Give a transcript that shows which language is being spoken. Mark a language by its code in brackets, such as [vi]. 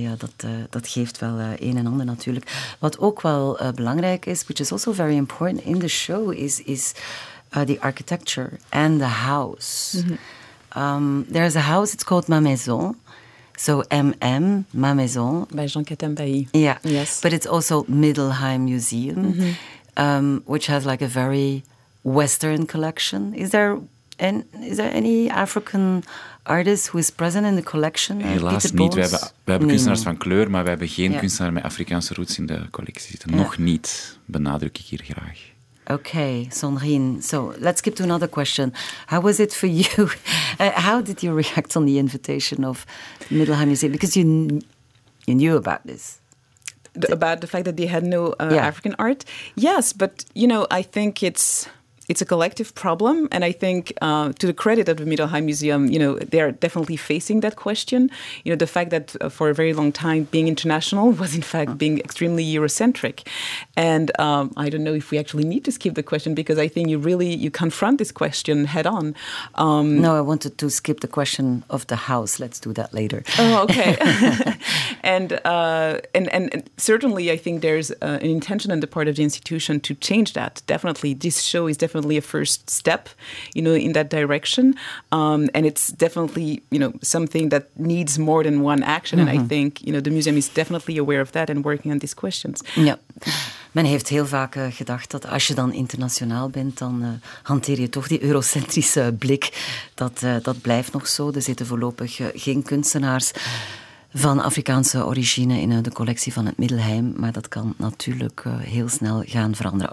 [nl] Ja, dat geeft wel een en ander natuurlijk. Wat ook wel belangrijk is, [en] which is also very important in the show, is the architecture and the house. Mm-hmm. There is a house, it's called Ma Maison. So MM, Ma Maison. By Jean Cattenbailly. Yeah. Yes. But it's also Middelheim Museum, which has like a very Western collection. Is there any African artist who is present in the collection? [nl] Helaas niet. We hebben kunstenaars van kleur, maar we hebben geen kunstenaar met Afrikaanse roots in de collectie zitten. Nog niet, benadruk ik hier graag. [en] Okay, Sandrine. So, let's skip to another question. How was it for you? How did you react on the invitation of Middelheim Museum? Because you knew about this. About the fact that they had no African art? Yes, but, you know, I think it's a collective problem, and I think to the credit of the Middelheim Museum, you know, they are definitely facing that question. You know, the fact that for a very long time being international was in fact being extremely Eurocentric. And I don't know if we actually need to skip the question, because I think you confront this question head on. No, I wanted to skip the question of the house. Let's do that later. Oh, okay. And certainly, I think there's an intention on the part of the institution to change that. Definitely, this show is definitely a first step, you know, in that direction. And it's definitely, you know, something that needs more than one action. Mm-hmm. And I think, you know, the museum is definitely aware of that and working on these questions. Yeah. [nl] Men heeft heel vaak gedacht dat als je dan internationaal bent, dan hanteer je toch die eurocentrische blik. Dat blijft nog zo. Er zitten voorlopig geen kunstenaars van Afrikaanse origine in de collectie van het Middelheim. Maar dat kan natuurlijk heel snel gaan veranderen.